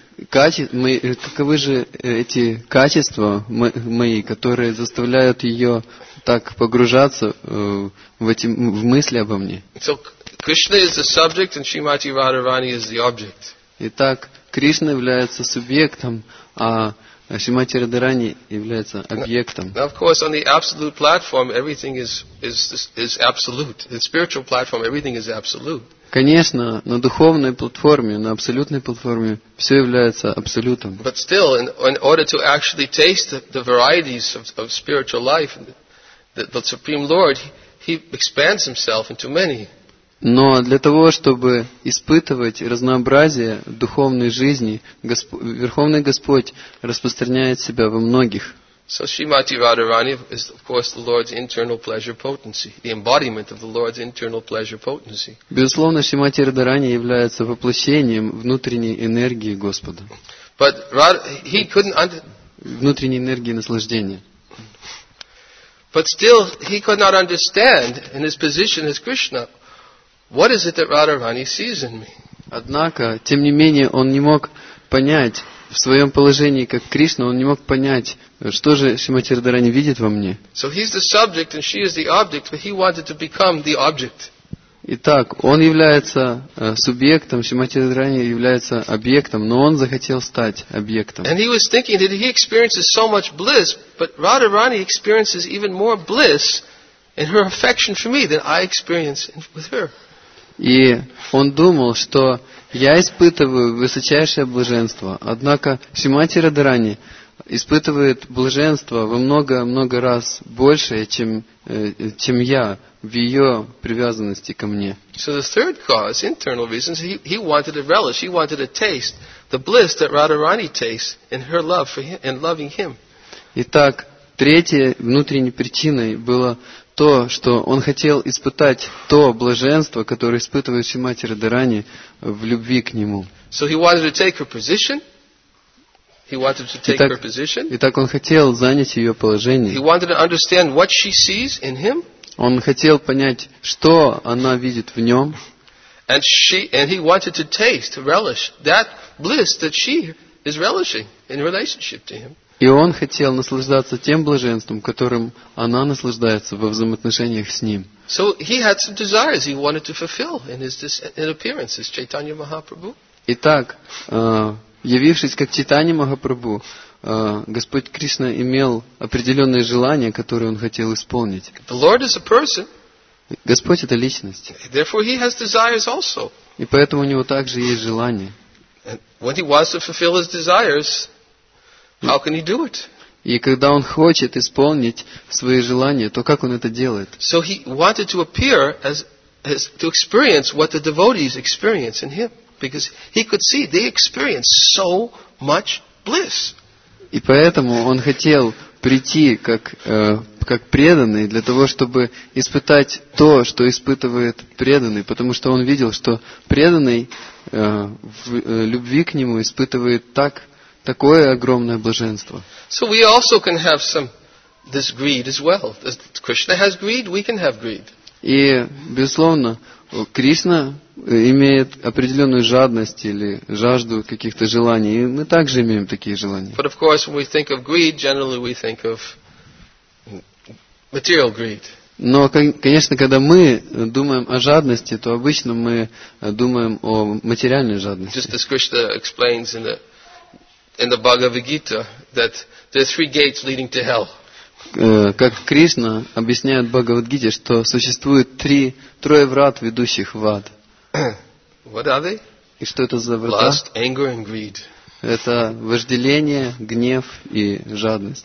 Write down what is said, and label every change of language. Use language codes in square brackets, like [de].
[ru] Каковы же эти качества мои, которые заставляют ее так погружаться в мысли обо мне? [en] Krishna is the subject and Srimati Radharani is the object. [ru] Итак, Кришна является субъектом, а Шримати Радарани является объектом. [en] Now, of course, on the absolute platform, everything is absolute. The spiritual platform, everything is absolute. [ru] Конечно, на духовной платформе, на абсолютной платформе все является абсолютом. [en] But still, in order to actually taste the varieties of spiritual life, the Supreme Lord, He expands Himself into many. [ru] Но для того, чтобы испытывать разнообразие духовной жизни, Верховный Господь распространяет Себя во многих. [en] So Srimati Radharani is, of course, the Lord's internal pleasure potency, the embodiment of the Lord's internal pleasure potency. [ru] Безусловно, Шримати Радарани является воплощением внутренней энергии Господа. [en] But he couldn't [ru] внутренней энергии наслаждения. [en] But still, he could not understand in his position as Krishna, what is it that Radharani sees in me? [ru] Однако, тем не менее, он не мог понять. В своем положении, как Кришна, он не мог понять, что же Шримати Радарани видит во мне. [en] So he's the subject and she is the object, but he wanted to become the object. [ru] Итак, он является субъектом, Шримати Радарани является объектом, но он захотел стать объектом. [en] And he was thinking that he experiences so much bliss, but Radharani experiences even more bliss in her affection for me than I experience with her. [ru] И он думал, что я испытываю высочайшее блаженство, однако Шримати Радарани испытывает блаженство во много-много раз большее, чем я в ее привязанности ко мне. [en] So the third cause, internal reasons, he wanted to relish, he wanted to taste the bliss that Radharani tastes in her love for him, in loving him. [ru] Итак, третьей внутренней причиной было то, что он хотел испытать то блаженство, которое испытывает Шримати Радарани в любви к нему. [en] So he wanted to take her position. He wanted to take her position. [ru] Итак, он хотел занять ее положение. [en] He wanted to understand what she sees in him. [ru] Он хотел понять, что она видит в нем. [en] And he wanted to taste, to relish that bliss that she is relishing in relationship to him. [ru] И он хотел наслаждаться тем блаженством, которым она наслаждается во взаимоотношениях с ним. [en] So he had some desires he wanted to fulfill in his appearance as Chaitanya Mahaprabhu. [ru] Итак, явившись как Чайтанья Махапрабху, Господь Кришна имел определенные желания, которые он хотел исполнить. [en] The Lord is a person. [ru] Господь это личность. [en] Therefore he has desires also. [ru] И поэтому у него также есть желания. [en] And when he wants to fulfill his desires, how can he do it? [ru] И когда он хочет исполнить свои желания, то как он это делает? [en] So he wanted to appear as to experience what the devotees experience in him, because he could see they experience so much bliss. [ru] И поэтому он хотел прийти как преданный для того, чтобы испытать то, что испытывает преданный, потому что он видел, что преданный любви к нему испытывает так. Такое огромное блаженство. [en] So we also can have some this greed as well. Krishna has greed, we can have greed. [ru] И безусловно, Кришна имеет определенную жадность или жажду каких-то желаний, и мы также имеем такие желания. [en] But of course, when we think of greed, generally we think of material greed. [ru] Но, конечно, когда мы думаем о жадности, то обычно мы думаем о материальной жадности. [en] Just as Krishna explains in the Bhagavad Gita, that there are three gates leading to hell. [ru] Как Кришна объясняет в Бхагавад Гите, что существует трое врат, ведущих в ад. [en] What are they? [ru] И что это за врата? [en] Lust, anger and greed. [ru] Это вожделение, гнев и жадность.